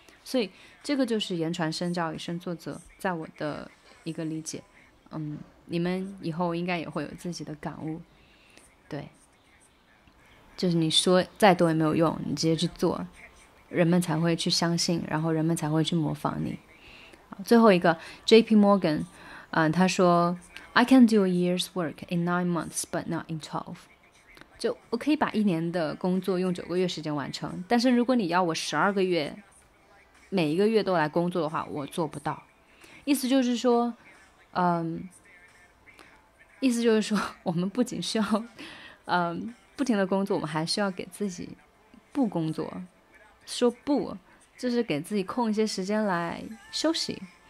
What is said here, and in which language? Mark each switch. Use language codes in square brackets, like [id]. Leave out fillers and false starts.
[zh] 所以这个就是言传身教以身作则在我的一个理解。嗯，你们以后应该也会有自己的感悟。对，就是你说再多也没有用，你直接去做，人们才会去相信，然后人们才会去模仿你。最后一个 [en] JP Morgan、 [zh] 他说 [en] I can do a year's work in 9 months but not in 12. [zh] 就我可以把一年的工作用9个月时间完成，但是如果你要我12个月每一个月都来工作的话，我做不到。意思就是说意思就是说我们不仅需要不停的工作，我们还需要给自己不工作说不，就是给自己空一些时间来休息。